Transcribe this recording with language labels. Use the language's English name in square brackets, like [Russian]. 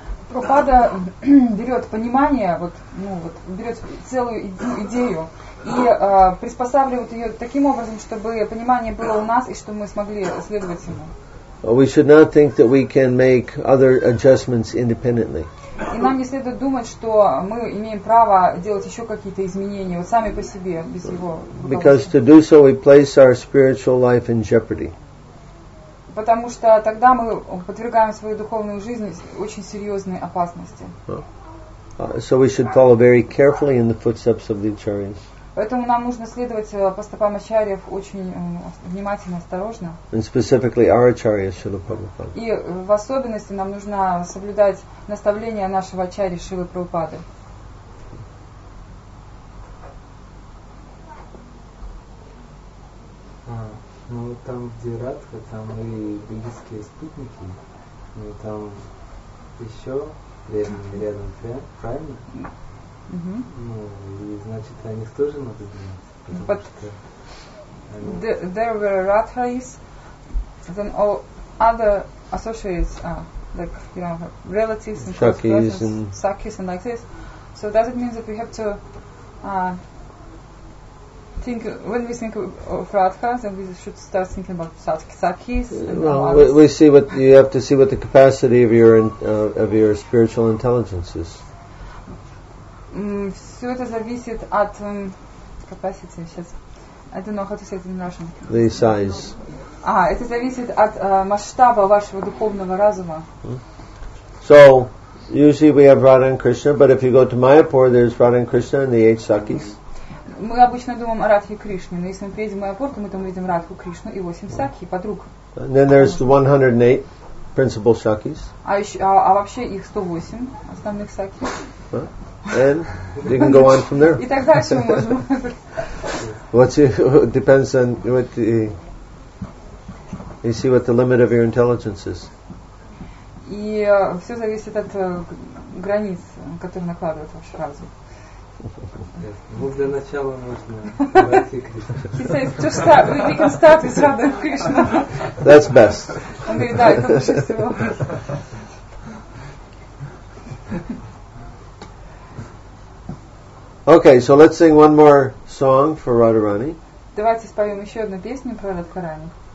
[Russian] Прабхупада берет понимание, вот, ну, вот, берет целую идею и приспосабливает ее таким образом, чтобы понимание было у нас и чтобы мы смогли следовать ему. [English] We should not think that we can make other adjustments independently. [Russian] И нам не следует думать, что мы имеем право делать еще какие-то изменения вот сами по себе без его. [English] Because to do so, we place our spiritual life in jeopardy. [Russian] Потому что тогда мы подвергаем свою духовную жизнь очень серьезной опасности. [English] So we should follow very carefully in the footsteps of the acharyas. [Russian] Поэтому нам нужно следовать по стопам ачарьев очень внимательно, осторожно. [English] And specifically our acharya, Шрила Прабхупада. [Russian] И в особенности нам нужно соблюдать наставления нашего ачарьи Шрилы Прабхупады. Ну вот там, где Радха, там и близкие спутники, ну там еще рядом правильно? Mm-hmm. Ну, и значит, о них тоже надо думать. [English] But there were Radha is, then all other associates, like, you know, relatives and Shakis and Sakis and like this. So does it mean that we have to think, when we think of Radha, then we should start thinking about Sakis? We see what you have to see what the capacity of your of your spiritual intelligence is. [Russian] Все это зависит от capacity, сейчас. [English] I don't know how to say it in Russian. The size. [Russian] Это зависит от масштаба вашего духовного разума. [English] So, usually we have Radha and Krishna, but if you go to Mayapur, there's Radha and Krishna and the eight Sakis. [Russian] Мы обычно думаем о Радхе Кришне, но если мы приедем в Майяпур, то мы там видим Радху Кришну и 8 Сакхи, подруг. [English] And then there's 108 principal Sakis. [Russian] А вообще их 108 основных Сакхи. [English] And you can go on from there. [Russian] И так дальше мы можем. [English] What's your, depends on what the, you see what the limit of your intelligence is. [Russian] И все зависит от границ, которые накладывает ваш разум. Ну, для начала можно Радхе Кришне. [English] He says, we can start with Radha Krishna. That's best. [Russian] Он говорит, да, это лучше всего. [English] Okay, so let's sing one more song for Radharani. [Russian] Давайте споем еще одну песню про Радхарани.